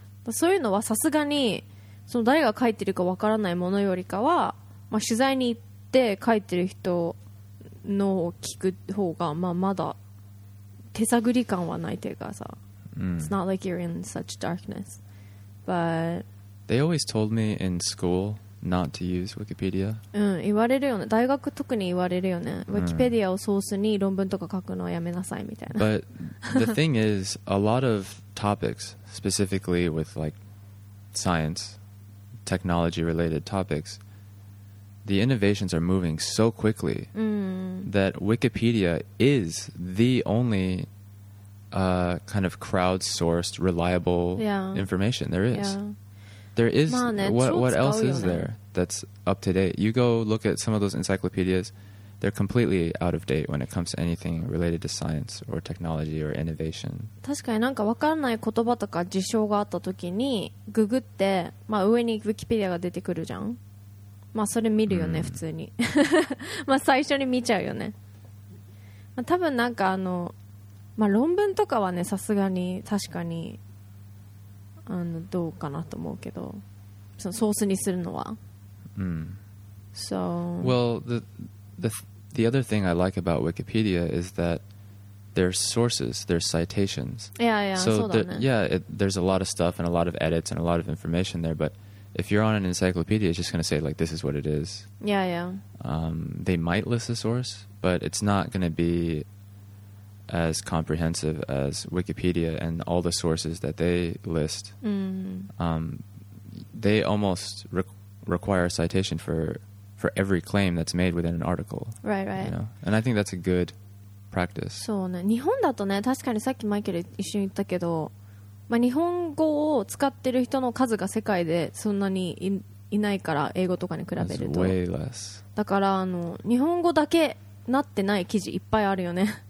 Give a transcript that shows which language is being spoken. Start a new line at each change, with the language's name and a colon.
Japanese: そういうのはさすがにその誰が書いてるかわからないものよりかは、まあ、取材に行って書いてる人のを聞く方が、まあ、まだ手探り感はないというかさ、
English: It's not like you're in such darkness. But they always told me in school not to use Wikipedia.
Japanese: うん、言われるよね。大学特に言われるよね。 Wikipedia をソースに論文とか書くのをやめなさいみたいな。
English: But the thing is, a lot of topics, specifically with like science, technology-related topics, the innovations are moving so quickly、うん、 that Wikipedia is the only、kind of crowdsourced, reliable、 yeah. information there is.、 Yeah. There is、
Japanese: まあね、
English: what else is there that's up to date? You go look at some of those encyclopedias, they're completely out of date when it comes to anything related to science or technology or innovation.
Japanese: 確かになんか分からない言葉とか事象があった時にググって、まあ、上に Wikipedia が出てくるじゃん。まあそれ見るよね、普通に。まあ最初に見ちゃうよね。まあ、多分なんかあの、まあ、論文とかはね、さすがに確かにあのどうかなと思うけど、そのソースにするのは、 mm.
English: So well, the other thing I like about Wikipedia is that there's sources, there's citations. Yeah, yeah, so there, yeah, it, there's a lot of stuff and a lot of edits and a lot of information there. But if you're on an encyclopedia, it's just going to say like this is what it is. Yeah, yeah. They might list a source, but it's not going to be as comprehensive as Wikipedia and all the sources that they list、 mm-hmm. They almost require citation for every claim that's made within an article. Right, right. You know? And I think that's a good practice.
Japanese: そうね。日本だとね、確かにさっきマイケル一緒に言ったけど、まあ、日本語を使ってる人の数が世界でそんなに いないから、英語とかに比べると。
English: It's way less.
Japanese: だからあの日本語だけなってない記事いっぱいあるよね。